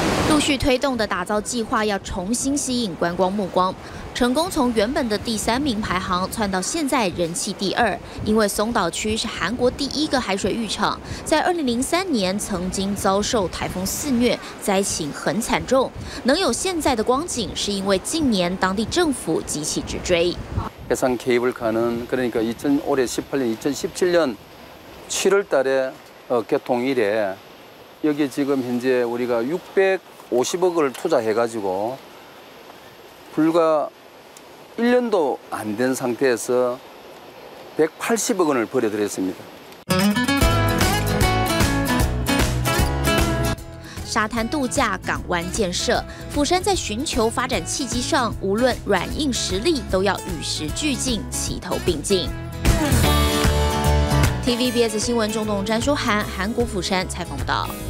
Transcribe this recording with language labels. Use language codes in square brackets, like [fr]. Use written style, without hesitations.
[zh] 陆续推动的打造计划要重新吸引观光目光，成功从原本的第三名排行窜到现在人气第二。因为松岛区是韩国第一个海水浴场，在2003年曾经遭受台风肆虐，灾情很惨重，能有现在的光景是因为近年当地政府急起直追。 [ko] 해상케이블카는그러니까2018년 2017년7월달에개통이래여기지금현재우리가650억을투자해가지고불과1년도안된상태에서180억원을벌어들였습니다 [zh] 沙滩度假、港湾建设，釜山在寻求发展契机上，无论软硬实力都要与时俱进，齐头并进。 TVBS 新闻中东詹淑涵，韩国釜山采访到。